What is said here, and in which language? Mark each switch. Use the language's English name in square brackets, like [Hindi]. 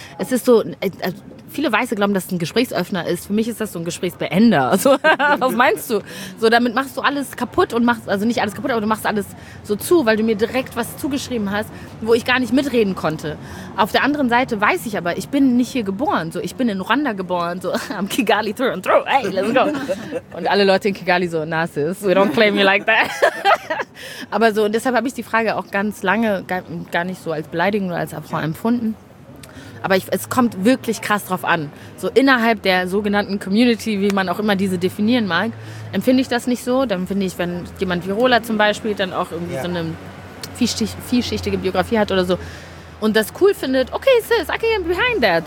[German] Es ist so, viele Weiße glauben, dass es ein Gesprächsöffner ist. Für mich ist das so ein Gesprächsbeender. So, was meinst du? So, damit machst du alles kaputt und machst, also nicht alles kaputt, aber du machst alles so zu, weil du mir direkt was zugeschrieben hast, wo ich gar nicht mitreden konnte. Auf der anderen Seite weiß ich aber, ich bin nicht hier geboren. So, ich bin in Rwanda geboren, so am Kigali [English] through and through. Hey, let's go. [German] Und alle Leute in Kigali so, Narcissus, [English] we don't claim you like that. [German] Aber so, und deshalb habe ich die Frage auch ganz lange gar nicht so als beleidigend oder als Affront empfunden. Aber es kommt wirklich krass drauf an. So innerhalb der sogenannten Community, wie man auch immer diese definieren mag, empfinde ich das nicht so. Dann finde ich, wenn jemand wie Rola zum Beispiel dann auch irgendwie so eine vielschichtige Biografie hat oder so und das cool findet, okay, [English] sis, I can't behind that.